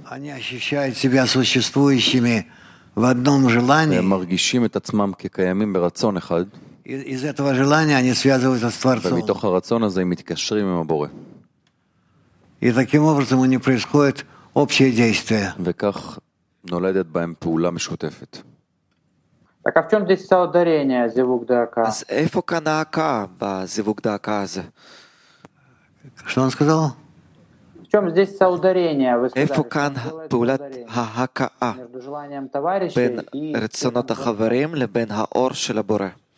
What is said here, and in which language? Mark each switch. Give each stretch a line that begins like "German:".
Russian: Они ощущают себя существующими в одном желании.
Hebrew: הם מרגישים את עצמם כקיימים ברצון אחד.
Russian: Из этого желания они связываются с Творцом.
Hebrew: ומתוך הרצון הזה הם מתקשרים עם הבורא.
Russian: И таким образом у них происходит общее действие.
Hebrew: וכך נולדת בהם פעולה משותפת.
Russian: так, а в чем здесь соударение зивук дака?
Hebrew: אז איפה כאן העקה בזיווג דעקה הזה?
Russian: что он сказал? в чем здесь соударение?
Hebrew: איפה כאן פעולת ההקאה בין רצונות החברים לבין האור של הבורא?